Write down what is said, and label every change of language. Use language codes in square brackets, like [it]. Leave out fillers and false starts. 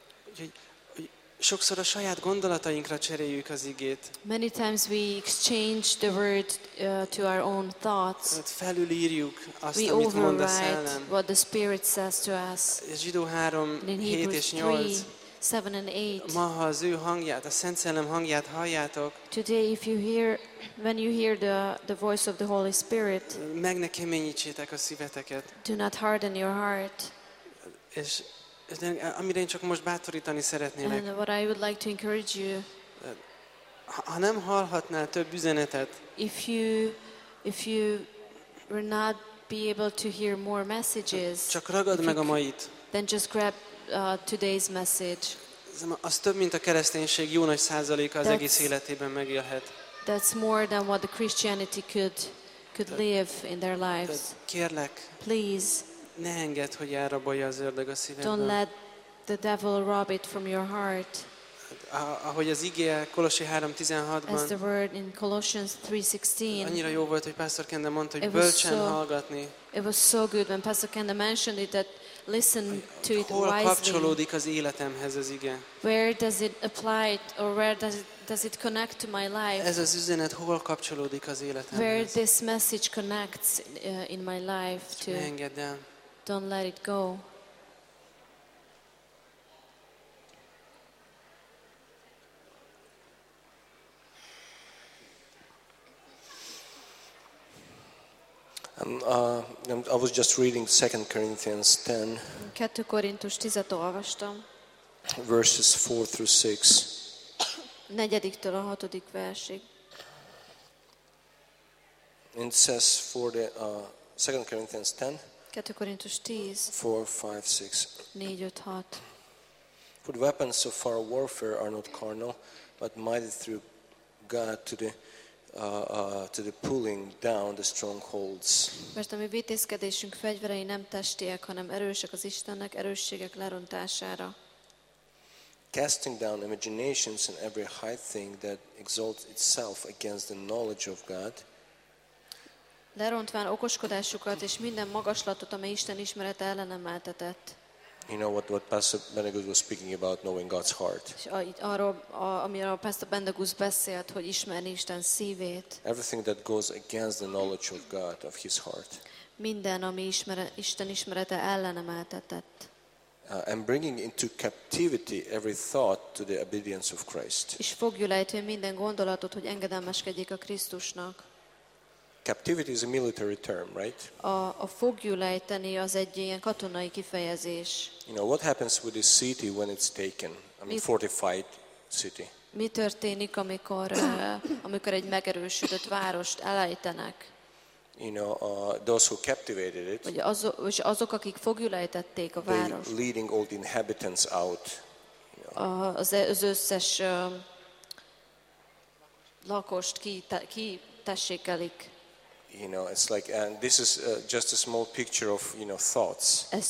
[hu] Úgyhogy sokszor a saját gondolatainkra cseréljük az igét. [en] Many times we exchange the word to our own thoughts. [hu] Felülírjuk azt, amit mond a szellem. [en] We overwrite what the Spirit says to us. [hu] Zsidó 3:7-8. [en] Seven and eight. [hu] Ma ha az ő hangját, a Szent Szellem hangját halljátok. [en] Today, if you hear, when you hear the voice of the Holy Spirit, [hu] meg ne keményítsétek a szíveteket. [en] Do not harden your heart. [hu] És amire én csak most bátorítani szeretnélek. [en] And what I would like to encourage you. [hu] Ha nem hallhatnál több üzenetet. [en] If you will not be able to hear more messages. [hu] Csak ragad meg a mait. [en] Then just grab today's message. [hu] Az több, mint a kereszténység jó nagy százaléka az egész életében megélhet. [en] That's more than what the Christianity could live in their lives. [hu] Kérlek, [en] please, [hu] ne engedd, hogy elrabolja az ördög a szívedben. [en] Don't let the devil rob it from your heart. [hu] Ahogy az igéje Kolossi 3:16-ban. [en] As the word in Colossians 3:16. [hu] Annyira jó volt, hogy Pastor Kende mondta, hogy bölcsen hallgatni. [en] It was so good when Pastor Kende mentioned it that listen to it [hu] hol [en] wisely. [hu] Kapcsolódik az életemhez az ige? [en] Where does it apply it, or where does it connect to my life? [hu] Ez az üzenet hol kapcsolódik az életemhez? [en] Where this message connects in my life to? [hu] Engedd el. [en] Don't let it go. I was just reading 2 Corinthians 10. [hu] 2 Korintus 10-et olvastam. [en] Verses 4 through 6. [hu] 4-től a 6. versig. [en] It says for the 2 Corinthians 10. [hu] 2 Korintus 10. [en] 4, 5, 6. [hu] 4, 5, 6. [en] For the weapons of our warfare are not carnal, but mighty through God to the pulling down the strongholds. [hu] Mert a mi vitézkedésünk fegyverei nem testiek, hanem erősek az Istennek erősségek lerontására. [en] Casting down imaginations and every high thing that exalts itself against the knowledge of God. [hu] Lerontván okoskodásukat és minden magaslatot, amely Isten ismerete ellen emeltetett. [en] You know what Pastor Benegus was speaking about, knowing God's heart. [hu] Arról, Pastor Benegus beszélt, hogy ismerni Isten szívét. [en] Everything that goes against the knowledge of God, of His heart. [hu] Minden, ami Isten ismerete ellen emeltetett. [en] And bringing into captivity every thought to the obedience of Christ. [hu] És foglyul ejtve minden gondolatot, hogy engedelmeskedjék a Krisztusnak. [en] Captivity is a military term, right? [hu] A foglyul ejteni az egy ilyen katonai kifejezés. [en] You know what happens with a city when it's taken? I mean, fortified city. [hu] Mi történik, amikor egy megerősödött várost elejtenek? [en] You know, those who captivated it. [hu] Azok, akik foglyul ejtették a várost. [en] Leading all the inhabitants out. [hu] Az összes lakost ki tessékelik. [en] You know, it's like, and this is just a small picture of, you know, thoughts.